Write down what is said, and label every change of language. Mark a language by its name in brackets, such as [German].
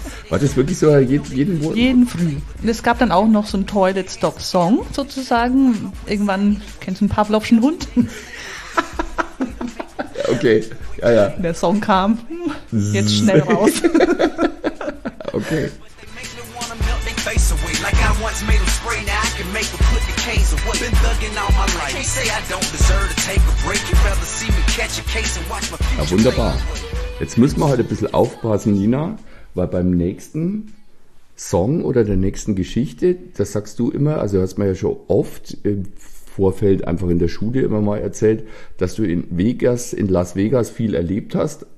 [German] War das wirklich so jeden Monat? Jeden früh. Und es gab dann auch noch so einen Toilet Stop Song sozusagen. Irgendwann, kennst du einen Pavlovschen Hund? Okay, ja, ja. Der Song kam jetzt schnell raus. Okay. [English] Once made them spray, now I can make them put the canes away. Been thugging all my life. Can't say I don't deserve to take a break. You'd rather see me catch a case and watch my future. [German] Ja, wunderbar. Jetzt müssen wir halt ein bisschen aufpassen, Nina, weil beim nächsten Song oder der nächsten Geschichte, das sagst du immer, also hast man ja schon oft im Vorfeld einfach in der Schule immer mal erzählt, dass du in Las Vegas viel erlebt hast.